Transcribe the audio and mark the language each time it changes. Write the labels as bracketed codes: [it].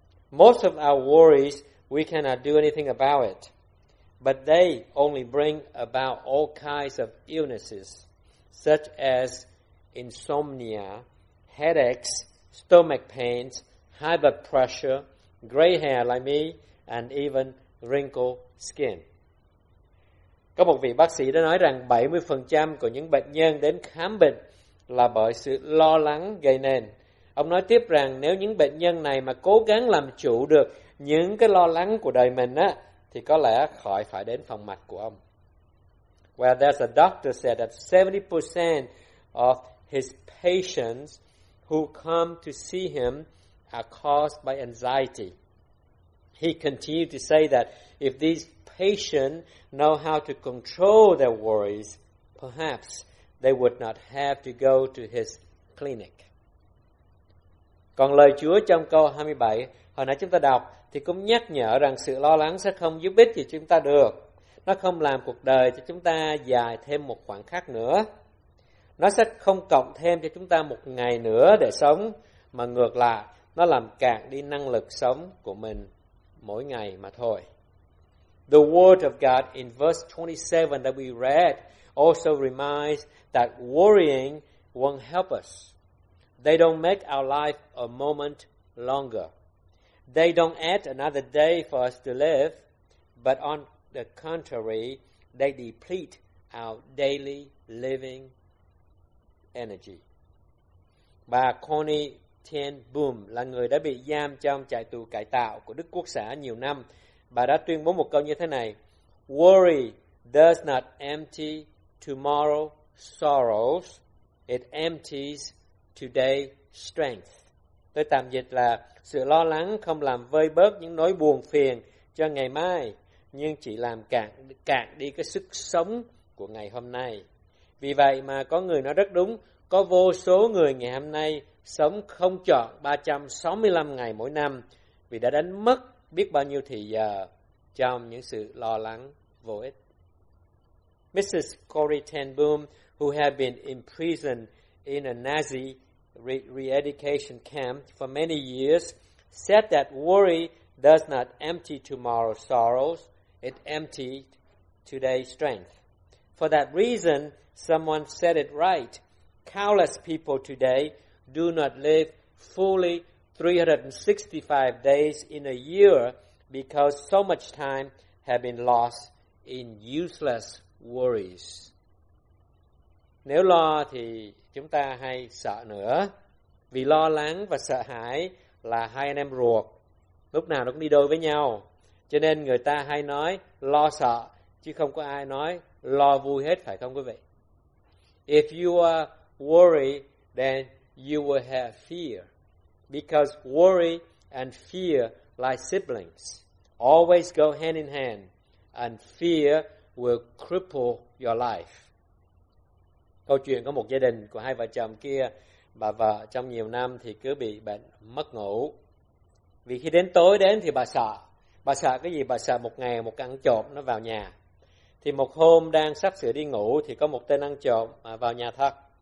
[en] Most of our worries, we cannot do anything about it. But they only bring about all kinds of illnesses, such as insomnia, headaches, stomach pains, high blood pressure, gray hair like me, and even wrinkled skin. [vi] Có một vị bác sĩ đã nói rằng 70% của những bệnh nhân đến khám bệnh là bởi sự lo lắng gây nên. Ông nói tiếp rằng nếu những bệnh nhân này mà cố gắng làm chủ được những cái lo lắng của đời mình á, thì có lẽ khỏi phải đến phòng mạch của ông. [en] Well, there's a doctor said that 70% of his patients who come to see him are caused by anxiety. He continued to say that if these patients know how to control their worries, perhaps they would not have to go to his clinic. [vi] Còn lời Chúa trong câu 27 hồi nãy chúng ta đọc thì cũng nhắc nhở rằng sự lo lắng sẽ không giúp ích gì chúng ta được. Nó không làm cuộc đời cho chúng ta dài thêm một khoảng khắc nữa. Nó sẽ không cộng thêm cho chúng ta một ngày nữa để sống, mà ngược lại, nó làm cạn đi năng lực sống của mình mỗi ngày mà thôi. [en] The word of God in verse 27 that we read also reminds that worrying won't help us. They don't make our life a moment longer. They don't add another day for us to live, but on the contrary, they deplete our daily living energy. [vi] Bà Connie Ten Boom là người đã bị giam trong trại tù cải tạo của Đức Quốc xã nhiều năm. Bà đã tuyên bố một câu như thế này: [en] Worry does not empty tomorrow's sorrows, it empties today's strength. [vi] Tôi tạm dịch là sự lo lắng không làm vơi bớt những nỗi buồn phiền cho ngày mai, nhưng chỉ làm cạn đi cái sức sống của ngày hôm nay. Vì vậy mà có người nói rất đúng, có vô số người ngày hôm nay sống không chọn 365 ngày mỗi năm vì đã đánh mất biết bao nhiêu thì giờ trong những sự lo lắng vô ích. [en] Mrs. Corrie Ten Boom, who had been imprisoned in a Nazi re-education camp for many years, said that worry does not empty tomorrow's sorrows, it emptied today's strength. For that reason, someone said it right. Countless people today do not live fully 365 days in a year because so much time has been lost in useless worries. [vi] Nếu lo thì chúng ta hay sợ nữa. Vì lo lắng và sợ hãi là hai anh em ruột, lúc nào nó cũng đi đôi với nhau. Cho nên người ta hay nói lo sợ, chứ không có ai nói lo vui hết, phải không quý vị? [en] If you are worried, then you will have fear. Because worry and fear like siblings always go hand in hand, and fear will cripple your life. [vi] Câu chuyện có một gia đình của hai vợ chồng kia, bà vợ trong nhiều năm thì cứ bị bệnh mất ngủ. Vì khi đến tối đến thì bà sợ. Bà sợ cái gì? Bà sợ một ngày một ăn trộm nó vào nhà. Thì một hôm đang sắp sửa đi ngủ thì có một tên ăn trộm vào nhà thật.